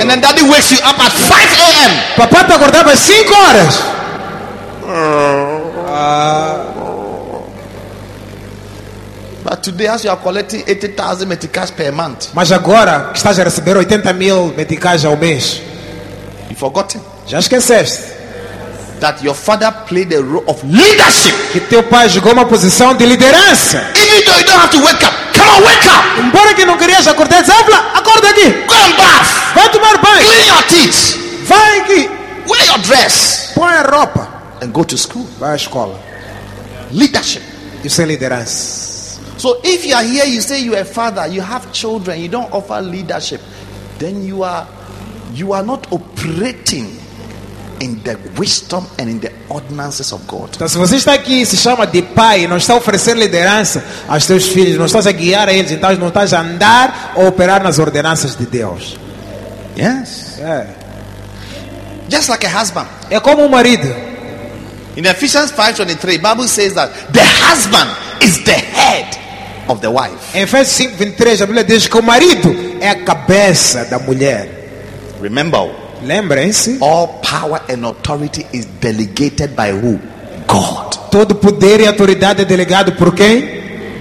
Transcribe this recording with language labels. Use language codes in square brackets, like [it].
[en] And then daddy wakes you up at 5 a.m. [pt] Papai te acordava às 5 horas. [en] But today as you are collecting 80,000 meticais per month. [pt] Mas agora que estás a receber 80 mil meticais ao mês. [en] You forgotten. [pt] Já esqueceste. [en] That your father played a role of leadership. [pt] Que teu pai jogou uma posição de liderança. [en] Even though you don't have to wake up, come on, wake up. [pt] Embora que não querias acordar, Zavla, acorda aqui. [en] Go and bath. [pt] Vai tomar banho. [en] Clean your teeth. [pt] Vai aqui. [en] Wear your dress. [pt] Põe a roupa. [en] And go to school. [pt] Vai à escola. [en] Leadership. [pt] Isso é liderança. [en] So if you are here, you say you are a father, you have children, you don't offer leadership, then you are not operating in the wisdom and in the ordinances of God. [pt] Então, se você está aqui e se chama de pai e não está oferecendo liderança aos teus filhos, não estás a guiar a eles, então não estás a andar ou operar nas ordenanças de Deus. [en] Yes. Yeah. Just like a husband. [pt] É como marido. [en] In Ephesians 5:23, the Bible says that the husband is the head of the wife. [pt] Em Efésios 5:23, a Bíblia diz que o marido é a cabeça da mulher. [en] Remember. [pt] Lembrem-se. [en] All power and authority is delegated by who? God. [pt] Todo poder e autoridade é delegado por quem?